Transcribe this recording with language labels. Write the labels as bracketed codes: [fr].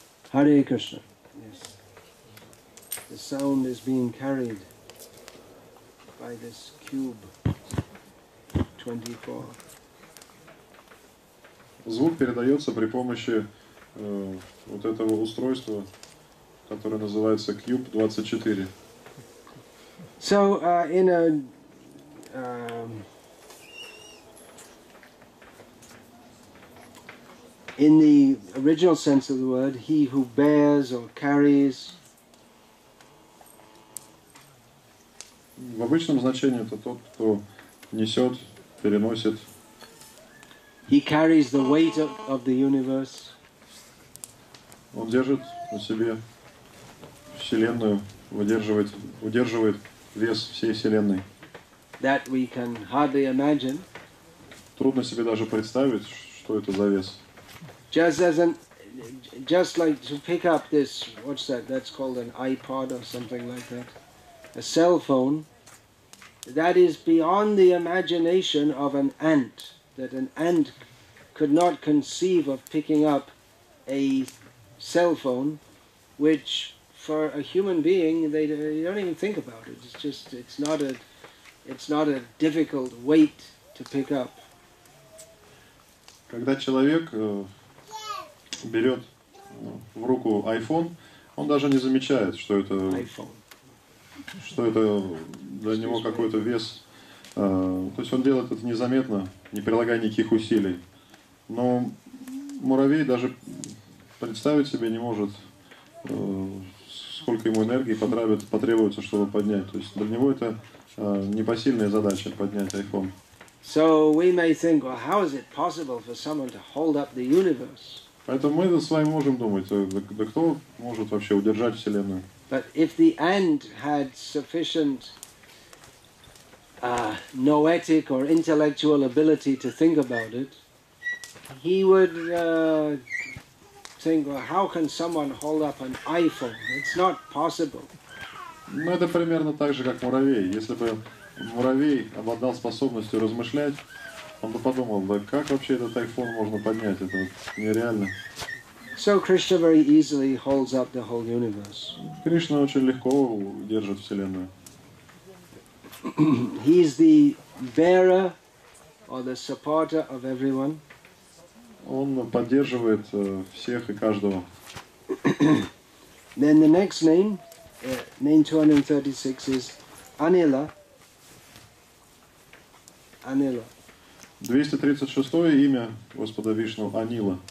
[en] Hare Krishna. Yes. The sound is being carried by this cube 24. [ru] Звук передается при помощи вот этого устройства, которое называется Cube 24. [en] So in a in the original sense of the word, he who bears or carries. [ru] В обычном значении это тот, кто несет, переносит. [en] He carries the weight of the universe. [ru] Он держит на себе вселенную, удерживает вес всей вселенной. [en] That we can hardly imagine. [ru] Трудно себе даже представить, что это за вес. [en] Just like to pick up this, what's that? That's called an iPod or something like that. A cell phone. That is beyond the imagination of an ant. That an ant could not conceive of picking up a cell phone, which for a human being they don't even think about it. It's not a difficult weight to pick up. [ru] Когда человек берет в руку iPhone, он даже не замечает, что это [en] iPhone. [ru] Что это для него какой-то вес. То есть он делает это незаметно, не прилагая никаких усилий. Но муравей даже представить себе не может, сколько ему энергии потребуется, чтобы поднять. То есть для него это непосильная задача поднять iPhone. [en] So we may think, well, how is it possible for someone to hold up the universe? [ru] Поэтому мы с вами можем думать, да кто может вообще удержать вселенную? [en] But if the ant had sufficient noetic or intellectual ability to think about it, he would think, well, how can someone hold up an iPhone? It's not possible. [ru] Ну, это примерно так же, как муравей. Если бы муравей обладал способностью размышлять, он бы подумал, да как вообще этот iPhone можно поднять? Это нереально. [en] So Krishna very easily holds up the whole universe. [ru] Кришна очень легко держит вселенную. [en] He is the bearer or the supporter of everyone. [ru] Он поддерживает всех и каждого. [en] Then the next name, name 236 is Anila. Anila. [ru] 236-е имя Господа Вишну Анила.